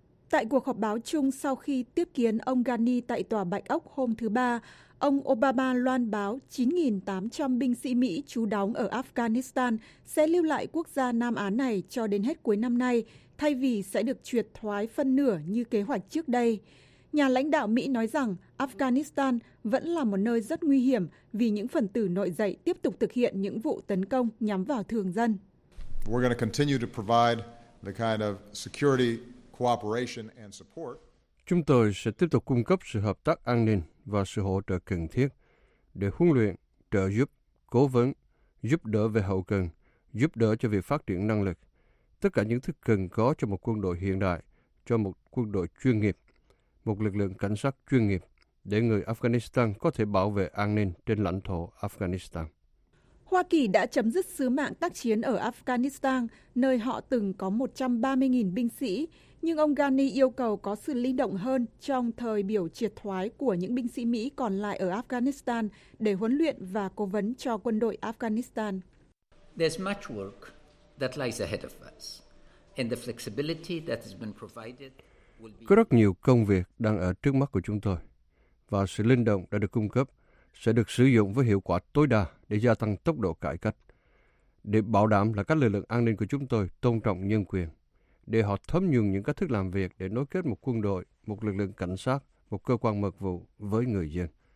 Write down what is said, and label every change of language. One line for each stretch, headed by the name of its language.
Vietnamese: Tại cuộc họp báo chung sau khi tiếp kiến ông Ghani tại Tòa Bạch Ốc hôm thứ Ba, ông Obama loan báo 9.800 binh sĩ Mỹ trú đóng ở Afghanistan sẽ lưu lại quốc gia Nam Á này cho đến hết cuối năm nay, thay vì sẽ được triệt thoái phân nửa như kế hoạch trước đây. Nhà lãnh đạo Mỹ nói rằng Afghanistan vẫn là một nơi rất nguy hiểm vì những phần tử nội dậy tiếp tục thực hiện những vụ tấn công nhắm vào thường dân.
English: We're going to continue to provide the kind of security cooperation and support.
Vietnamese: Chúng tôi sẽ tiếp tục cung cấp sự hợp tác an ninh và sự hỗ trợ cần thiết để huấn luyện, trợ giúp, cố vấn, giúp đỡ về hậu cần, giúp đỡ cho việc phát triển năng lực. Tất cả những thứ cần có cho một quân đội hiện đại, cho một quân đội chuyên nghiệp, một lực lượng cảnh sát chuyên nghiệp để người Afghanistan có thể bảo vệ an ninh trên lãnh thổ Afghanistan. Hoa Kỳ đã chấm dứt sứ mạng tác chiến ở Afghanistan, nơi họ từng có 130.000 binh sĩ, nhưng ông Ghani yêu cầu có sự linh động hơn trong thời biểu triệt thoái của những binh sĩ Mỹ còn lại ở Afghanistan để huấn luyện và cố vấn cho quân đội Afghanistan.
English: There's much work that lies ahead of us, and the flexibility that has been provided.
Vietnamese: Có rất nhiều công việc đang ở trước mắt của chúng tôi, và sự linh động đã được cung cấp sẽ được sử dụng với hiệu quả tối đa để gia tăng tốc độ cải cách, để bảo đảm là các lực lượng an ninh của chúng tôi tôn trọng nhân quyền, để họ thấm nhuần những cách thức làm việc để nối kết một quân đội, một lực lượng cảnh sát, một cơ quan mật vụ với người dân.